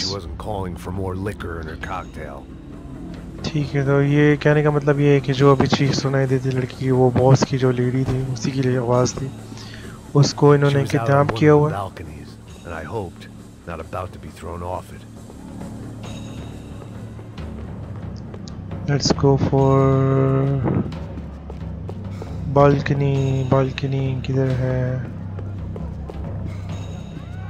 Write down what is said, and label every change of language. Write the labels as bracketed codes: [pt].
[en] She wasn't calling for more liquor in her cocktail. [hi] ठीक है, तो ये कहने का मतलब ये है कि जो अभी चीख सुनाई देती लड़की की, वो बॉस की जो लेडी थी उसी की आवाज थी, उसको इन्होंने किताब किया हुआ। [en] Balconies, and I hoped not about to be thrown off it. Let's go for balcony. [hi] Balcony किधर है?